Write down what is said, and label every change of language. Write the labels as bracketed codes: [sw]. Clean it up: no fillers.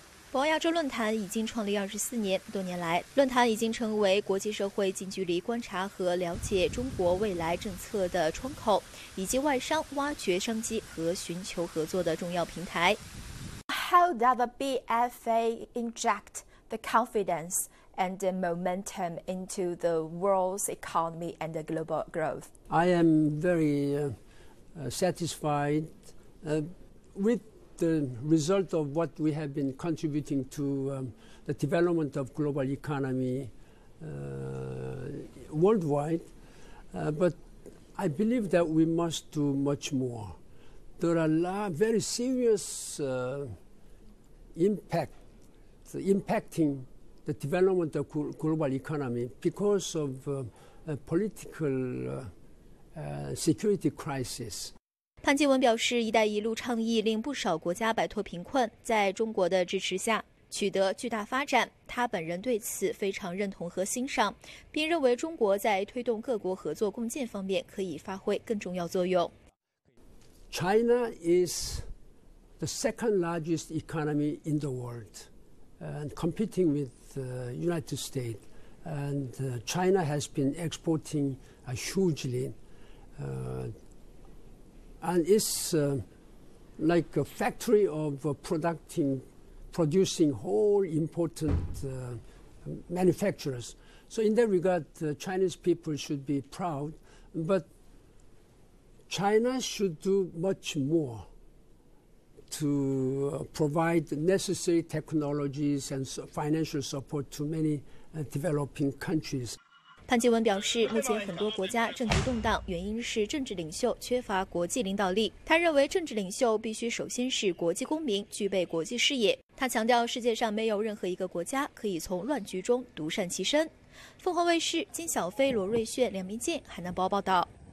[zh] 博鳌亚洲论坛已经创立24年，多年来论坛已经成为国际社会近距离观察和了解中国未来政策的窗口，以及外商挖掘商机和寻求合作的重要平台。 [en] How does the BFA inject the confidence and the momentum into the world's economy and the global growth? I am very satisfied with the result of what we have been contributing to the development of global economy worldwide. But I believe that we must do much more. There are very serious impacting the development of global economy because of a political security crisis. [zh] 潘基文表示，一带一路倡议令不少国家摆脱贫困，在中国的支持下取得巨大发展，他本人对此非常认同和欣赏，并认为中国在推动各国合作共建方面可以发挥更重要作用。 [en] China is the second largest economy in the world, and competing with the United States. And China has been exporting hugely. And it's like a factory of producing whole important manufacturers. So in that regard, the Chinese people should be proud. But China should do much more to provide necessary technologies and financial support to many developing countries. [zh] 潘基文表示，目前很多国家政局动荡，原因是政治领袖缺乏国际领导力。他认为，政治领袖必须首先是国际公民，具备国际视野。他强调，世界上没有任何一个国家可以从乱局中独善其身。凤凰卫视金小飞、罗瑞炫、梁明健，海南报报道。